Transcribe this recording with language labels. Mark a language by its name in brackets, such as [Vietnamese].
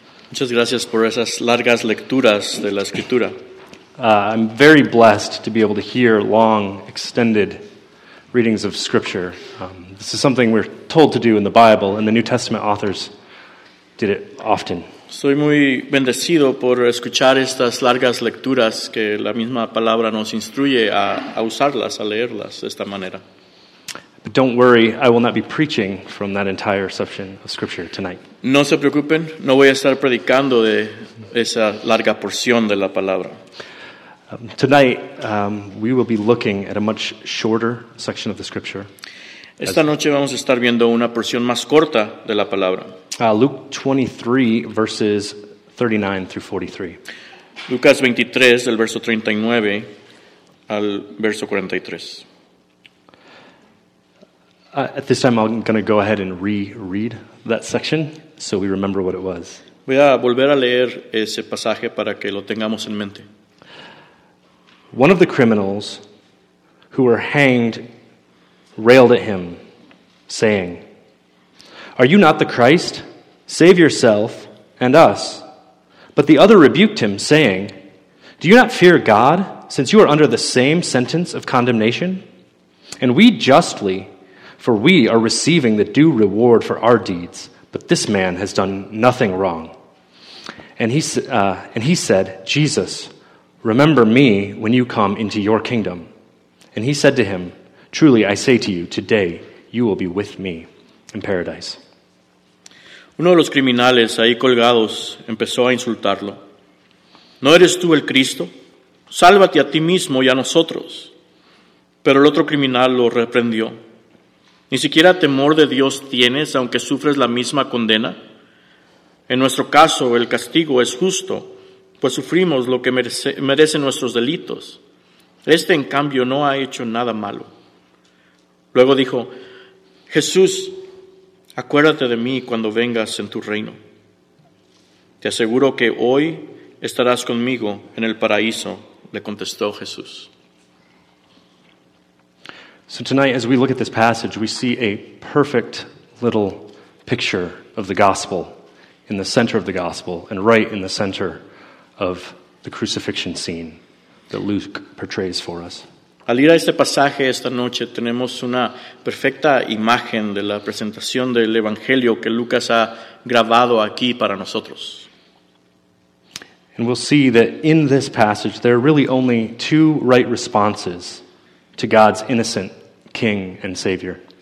[Spanish] Muchas gracias por esas largas lecturas de la Escritura. [English] I'm very blessed to be able to hear long, extended readings of Scripture. This is something we're told to do in the Bible, and the New Testament authors did it often. [Spanish] Soy muy bendecido por escuchar estas largas lecturas que la misma palabra nos instruye a usarlas, a leerlas de esta manera. [English] But don't worry, I will not be preaching from that entire section of Scripture tonight. [Spanish] No se preocupen, no voy a estar predicando de esa larga porción de la palabra. [English] Tonight, we will be looking at a much shorter section of the Scripture. [Spanish] Esta noche vamos a estar viendo una porción más corta de la palabra. [English] Luke 23, verses 39 through 43. [Spanish] Lucas 23, del verso 39 al verso 43. [English] At this time, I'm going to go ahead and reread that section so we remember what it was. [Spanish] Voy a volver a leer ese pasaje para que lo tengamos en mente. [English] One of the criminals who were hanged railed at him, saying, "Are you not the Christ? Save yourself and us." But the other rebuked him, saying, "Do you not fear God, since you are under the same sentence of condemnation? And we justly, for we are receiving the due reward for our deeds, but this man has done nothing wrong." And he said, "Jesus, remember me when you come into your kingdom." And he said to him, "Truly I say to you, today you will be with me in paradise." [Spanish] Uno de los criminales ahí colgados empezó a insultarlo. "¿No eres tú el Cristo? Sálvate a ti mismo y a nosotros." Pero el otro criminal lo reprendió. "¿Ni siquiera temor de Dios tienes, aunque sufres la misma condena? En nuestro caso, el castigo es justo, pues sufrimos lo que merecen nuestros delitos. Este, en cambio, no ha hecho nada malo." Luego dijo, "Jesús, acuérdate de mí cuando vengas en tu reino. Te aseguro que hoy estarás conmigo en el paraíso le contestó Jesús. [English] So tonight, as we look at this passage, we see a perfect little picture of the gospel in the center of the gospel and right in the center of the crucifixion scene that Luke portrays for us. [Spanish] Al ir a este pasaje esta noche, tenemos una perfecta imagen de la presentación del Evangelio que Lucas ha grabado aquí para nosotros. [English] And we'll see that in this passage, there are really only two right responses to God's innocent King and Savior.